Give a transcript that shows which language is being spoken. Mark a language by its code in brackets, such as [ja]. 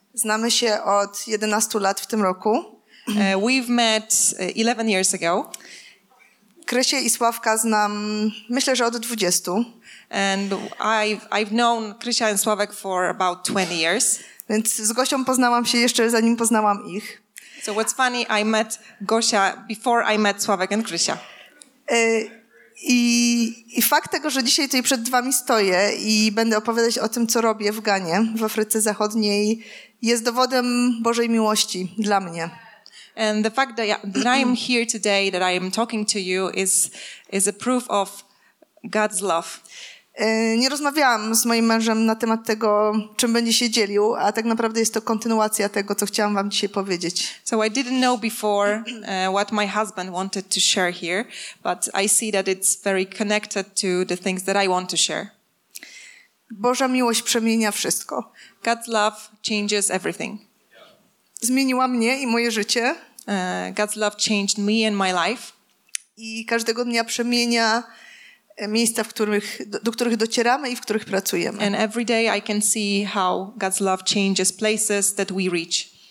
[pl] Znamy się od 11 lat w tym roku. [en] We've met 11 years ago. [pl] Krysię i Sławka znam, myślę, że od 20. [en] And I've known Krysia and Sławek for about 20 years. [pl] Więc z Gosią poznałam się jeszcze zanim poznałam ich. [en] So what's funny, I met Gosia before I met Sławek and Krysia. [pl] I fakt tego, że dzisiaj tutaj przed wami stoję i będę opowiadać o tym, co robię w Ganie, w Afryce Zachodniej, jest dowodem Bożej miłości dla mnie. [en] And the fact that I am here today, that I am talking to you, is a proof of God's love. [pl] Nie rozmawiałam z moim mężem na temat tego, czym będzie się dzielił, a tak naprawdę jest to kontynuacja tego, co chciałam wam dzisiaj powiedzieć. [en] So I didn't know before what my husband wanted to share here, but I see that it's very connected to the things that I want to share. [pl] Boża miłość przemienia wszystko. [en] God's love changes everything. [pl] Zmieniła mnie i moje życie. [en] God's love changed me and my life. [pl] I każdego dnia przemienia miejsca, do których docieramy i w których pracujemy. [en] And every day I can see how God's love changes places that we reach.